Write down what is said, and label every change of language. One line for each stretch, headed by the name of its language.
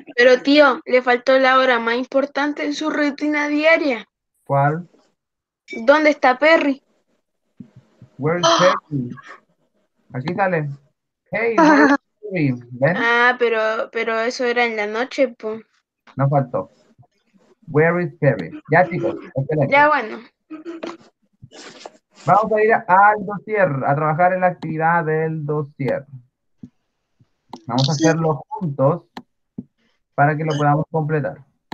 Spanish: Pero tío, le faltó la hora más importante en su rutina diaria. ¿Cuál? ¿Dónde está Perry?
English: Where is Perry? Aquí sale. Hey, where is Perry?
Spanish: ¿Ven? Ah, pero eso era en la noche, pues. No faltó. Where is Perry? Ya, chicos. Excelente. Ya, bueno. Vamos a ir al dossier, a trabajar en la actividad del dossier. Vamos a hacerlo juntos para que lo podamos completar.